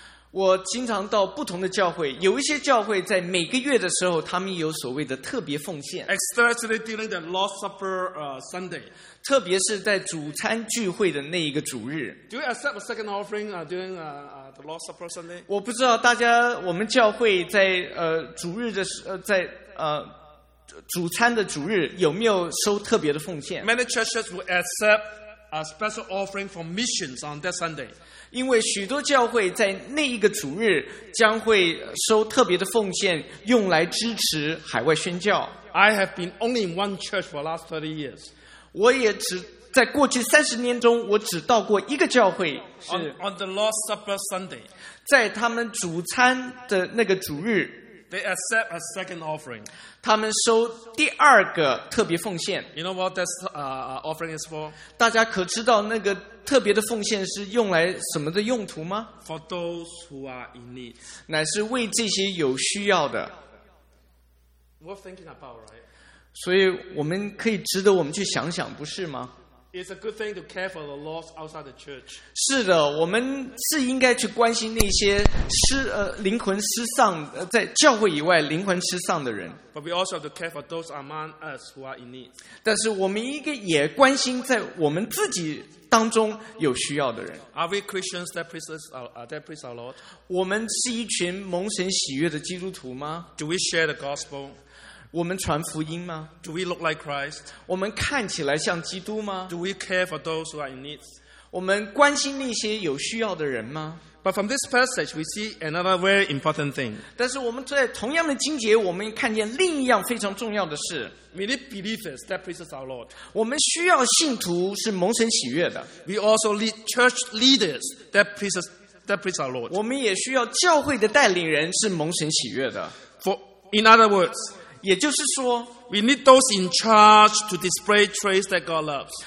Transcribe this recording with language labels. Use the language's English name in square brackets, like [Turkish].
[Chinese] 我经常到不同的教会，有一些教会在每个月的时候，他们有所谓的特别奉献。 [English] Especially during the Lord's Supper Sunday， [Chinese] 特别是在主餐聚会的那一个主日。 [English] Do you accept a second offering during the Lord's Supper Sunday？ [Chinese] 我不知道大家，我们教会在主日的在主餐的主日有没有收特别的奉献 [English] ？Many churches will accept a special offering for missions on that Sunday. [Chinese] 因为许多教会在那一个主日将会收特别的奉献，用来支持海外宣教。 [English] I have been only in one church for the last 30 years. [Chinese] 我也只在过去30年中，我只到过一个教会。是 [English] on the Lord's Supper Sunday. [Chinese] 在他们主餐的那个主日。 [English] They accept a second offering. [Chinese] 他们收第二个特别奉献。 [English] You know what that offering is for? [Chinese] 大家可知道那个特别的奉献是用来什么的用途吗？ [English] For those who are in need. [Chinese] 乃是为这些有需要的。 [English] We're thinking about, right? [Chinese] 所以我们可以值得我们去想想，不是吗？ [English] It's a good thing to care for the lost outside the church. [Chinese] 是的，我们是应该去关心那些灵魂失丧在教会以外灵魂失丧的人。 [English] But we also have to care for those among us who are in need. [Chinese] 但是我们应该也关心在我们自己当中有需要的人。 [English] Are we Christians that praise us, that praise our Lord? [Chinese] 我们是一群蒙神喜悦的基督徒吗？ [English] Do we share the gospel? [Chinese] 我们传福音吗？ [English] Do we look like Christ? [Chinese] 我们看起来像基督吗？ [English] Do we care for those who are in need? [Chinese] 我们关心那些有需要的人吗？ [English] But from this passage, we see another very important thing. [Chinese] 但是我们在同样的经节，我们看见另一样非常重要的事。 [English] We need believers that praises our Lord. [Chinese] 我们需要信徒是蒙神喜悦的。 [English] We also need church leaders that praise our Lord. [Chinese] 我们也需要教会的带领人是蒙神喜悦的。 [English] In other words, [Chinese] 也就是说 [English] we need those in charge to display traits that God loves.